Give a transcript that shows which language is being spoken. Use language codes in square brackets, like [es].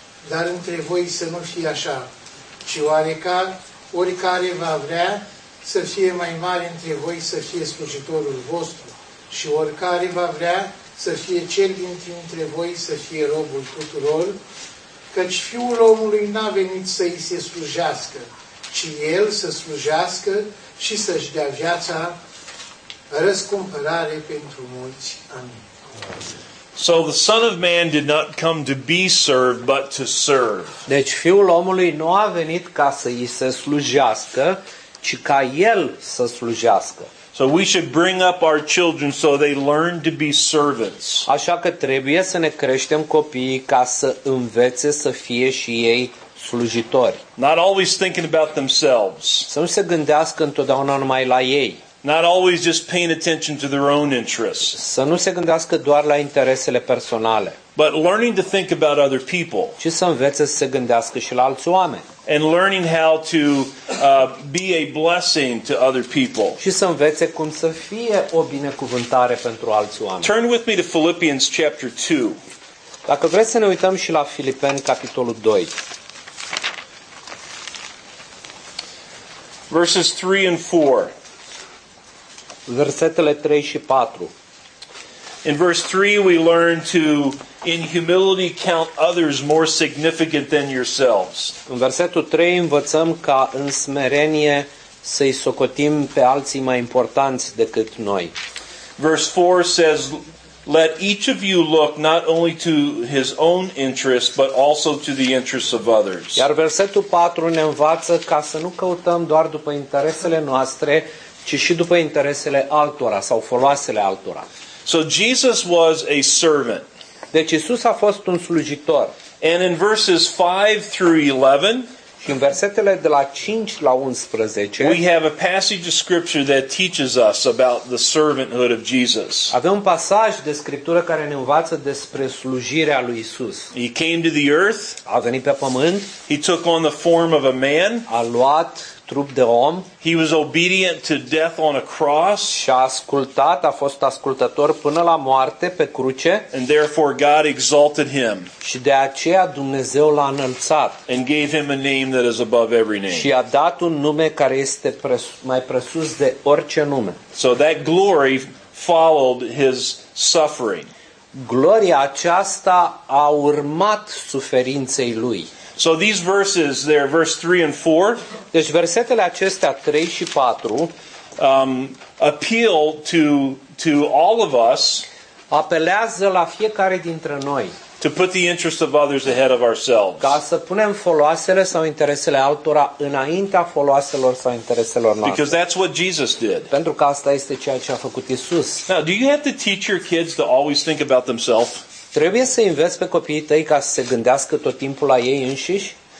[ro] Dar între voi să nu fie așa, ci oricare va vrea să fie mai mare între voi să fie slujitorul vostru, și oricare va vrea să fie cel dintre voi să fie robul tuturor, căci Fiul omului n-a venit să îi se slujească, ci el să slujească și să-și dea viața răscumpărare pentru mulți. Amin. [en] So the Son of Man did not come to be served, but to serve. [ro] Deci Fiul omului nu a venit ca să îi se slujească, ci ca el să slujească. [en] So we should bring up our children so they learn to be servants. [ro] Așa că trebuie să ne creștem copiii ca să învețe să fie și ei slujitori. [en] Not always thinking about themselves. [ro] Să nu se gândească întotdeauna numai la ei. [en] Not always just paying attention to their own interests. [ro] Să nu se gândească doar la interesele personale. [en] But learning to think about other people. [ro] Și să învețe să se gândească și la alți oameni. [en] And learning how to be a blessing to other people. [ro] Și să învețe cum să fie o binecuvântare pentru alți oameni. [en] Turn with me to Philippians chapter 2. [ro] Dacă vreți să ne uităm și la Filipeni capitolul 2. [en] Verses 3 and 4. [ro] Versetele 3 și 4. [en] In verse 3 we learn to in humility count others more significant than yourselves. [ro] În versetul 3 învățăm ca în smerenie să-i socotim pe alții mai importanți decât noi. [en] Verse 4 says let each of you look not only to his own interests but also to the interests of others. [ro] Iar versetul 4 ne învață ca să nu căutăm doar după interesele noastre, ci și după interesele altora sau foloasele altora. [en] So Jesus was a servant. [ro] Deci Iisus a fost un slujitor. [en] And in verses 5 through 11, [ro] și în versetele de la 5 la 11, [en] we have a passage of scripture that teaches us about the servanthood of Jesus. [ro] Avem un pasaj de scriptură care ne învață despre slujirea lui Iisus. [en] He came to the earth. [ro] A venit pe pământ. [en] He took on the form of a man. [ro] A luat trup de om. [en] He was obedient to death on a cross. [ro] Și a ascultat, a fost ascultător până la moarte pe cruce. [en] And therefore God exalted him. [ro] Și de aceea Dumnezeu l-a înălțat. [en] And gave him a name that is above every name. [ro] Și a dat un nume care este mai presus de orice nume. [en] So that glory followed his suffering. [ro] Gloria aceasta a urmat suferinței lui. [en] So these verses there, verse 3 and 4, [ro] deci versetele acestea 3 și 4, [en] appeal to all of us, [ro] apelează la fiecare dintre noi, [en] to put the interest of others ahead of ourselves. [ro] Ca să punem foloasele sau interesele altora înaintea foloaselor sau intereselor noastre. [en] Because that's what Jesus did. [ro] Pentru că asta este ceea ce a făcut Isus. [en] Now, do you have to teach your kids to always think about themselves? [ro] Trebuie să înveți pe copiii tăi ca să se gândească tot timpul la ei înșiși?